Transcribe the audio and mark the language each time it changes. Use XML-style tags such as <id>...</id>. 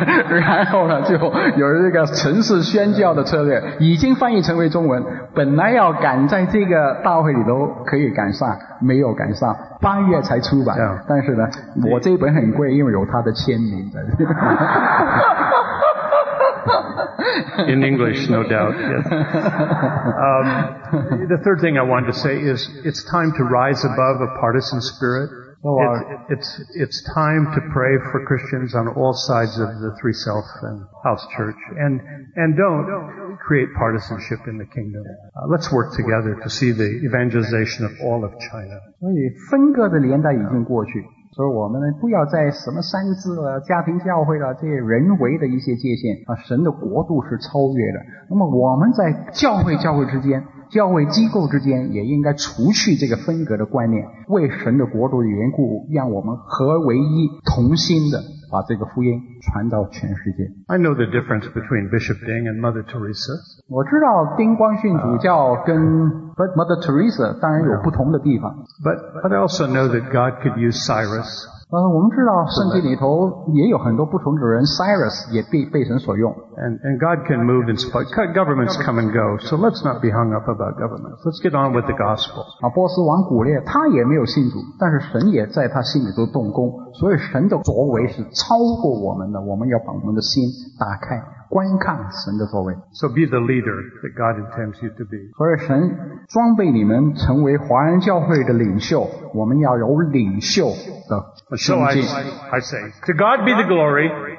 <zh>然后呢就有一个城市宣教的策略，已经翻译成为中文，本来要赶在这个大会里都可以赶上，没有赶上，八月才出版。</zh> <en>Yeah.</en> <zh>但是呢我这一本很贵，因为有他的签名的。</zh> <en>In English, no doubt. Yes. The third thing I wanted to say is it's time to rise above a partisan spirit. It's time to pray for Christians on all sides of the three self and house church. And don't create partisanship in the kingdom. Let's work together to see the evangelization of all of China.</en> <zh>所以分割的年代已经过去，所以我们不要在什么三字啊、家庭教会啊这些人为的一些界限啊，神的国度是超越的。那么我们在教会之间、教会机构之间，也应该除去这个分隔的观念，为神的国度的缘故，让我们合为一，同心的把这个福音传到全世界。</zh> <en>I know the difference between Bishop Ding and Mother Teresa.</en> <zh>我知道丁光训主教跟 Mother Teresa 当然有不同的地方。</zh> <en>But I also know that God could use Cyrus.</en> <zh>我们知道圣经里头也有很多不同的人 Cyrus 也 被神所用</zh> <en>and God can move and support governments come and go so let's not be hung up about governments let's get on with the gospel</en> <zh>波斯王古列他也没有信主但是神也在他心里头动工所以神的作为是超过我们的我们要把我们的心打开观看神的作为</zh> <en>So be the leader that God intends you to be</en> <zh>所以神装备你们成为华人教会的领袖我们要有领袖的</zh> <en>So I say, to God be the glory,</en>